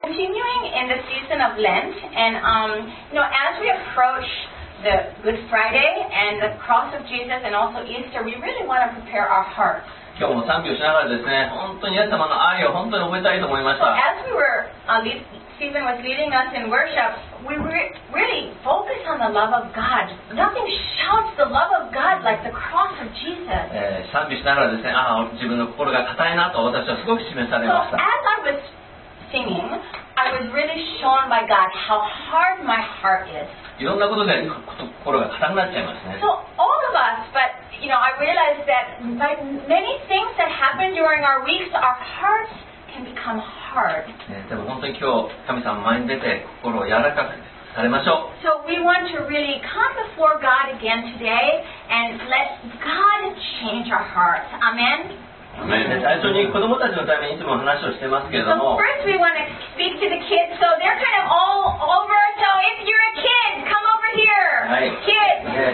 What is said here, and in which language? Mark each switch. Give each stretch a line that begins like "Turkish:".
English: continuing in the season of Lent, and you know, as we approach the Good Friday and the cross of Jesus and also Easter, we really want to prepare our hearts.
Japanese: 今日も賛美をしながらですね、本当にイエス様の愛を本当に覚えたいと思いました。
English: So、as we were, Stephen was leading us in worship, we really focused on the love of God. Nothing shouts the love of God like the cross of Jesus.
Japanese: 賛美しながらですね、ああ、自分の心が固いなと私はすごく示されました。
English: So、as I was singing, I was really shown by God how hard my heart is.
Japanese: いろんなことで心が固くなっちゃいますね。
English: So all of us, but you know, I realized that by many things that happen during our weeks, our hearts can become hard.
Japanese: でも本当に今日神様前に出て心を柔らかくされましょう。
English: So we want to really come before God again today and let God change our hearts. Amen.
Japanese: 最初に子供たちのためにいつも話をしてますけれども。
English: So first we want to speak to the kids, so they're kind of all over. So if you're a kid, come over here.